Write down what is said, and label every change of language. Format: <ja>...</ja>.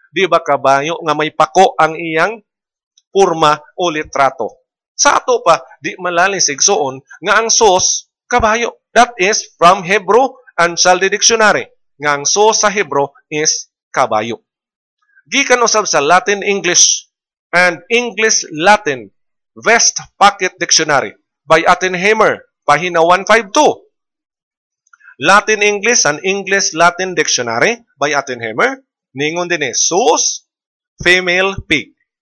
<ceb>Di ba kabayo nga may pako ang iyang purma o litrato? Sa ato pa, di malalis igsoon nga ang sus, kabayo.</ceb> <en>That is from Hebrew and Chaldee Dictionary.</en> <ceb>Nga ang sus sa Hebrew is kabayo. Gikan usab sa Latin English and English Latin Vest Pocket Dictionary by Attenheimer, pahina 152. Latin English and English Latin Dictionary by Attenheimer, ningon din eh, sus,</ceb> <en>female pig.</en>